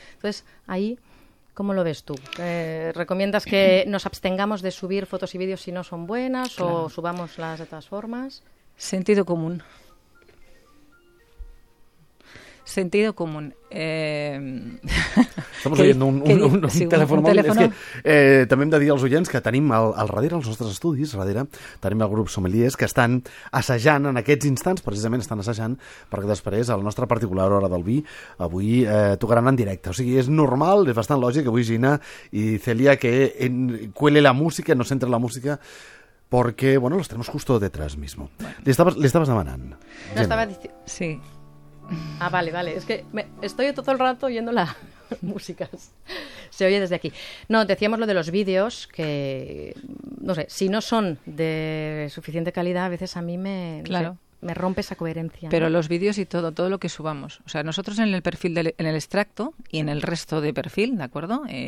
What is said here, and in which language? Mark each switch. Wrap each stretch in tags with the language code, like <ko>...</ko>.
<es>Entonces, ahí, ¿cómo lo ves tú? ¿Recomiendas que nos abstengamos de subir fotos y vídeos si no son buenas, claro, o subámoslas de todas formas? Sentido común. sentido común. Estamos oyendo un teléfono mòbil. Teléfono...</es> <ca>també hem de dir als oients que tenim al darrere, als nostres estudis, darrere, tenim el grup Sommeliers, que estan assajant en aquests instants, precisament estan assajant, perquè després, a la nostra particular hora del vi, avui tocaran en directe. O sigui, és normal, és bastant lògic, avui Gina i Celia,</ca> <es>que cuele la música,</es> <ca>no s'entra la música, perquè, bueno,</ca> <es>los tenemos justo detrás mismo.</es> <ca>Bueno. Li estaves demanant. No, Gina. Estava dient... Sí.</ca> <es>Ah, vale. Es que estoy todo el rato oyendo las músicas. Se oye desde aquí. No, decíamos lo de los vídeos, que, no sé, si no son de suficiente calidad, a veces a mí me... Claro. No sé, me rompe esa coherencia. Pero los vídeos y todo lo que subamos. O sea, nosotros en el perfil, en el extracto y en el resto de perfil, ¿de acuerdo?</es>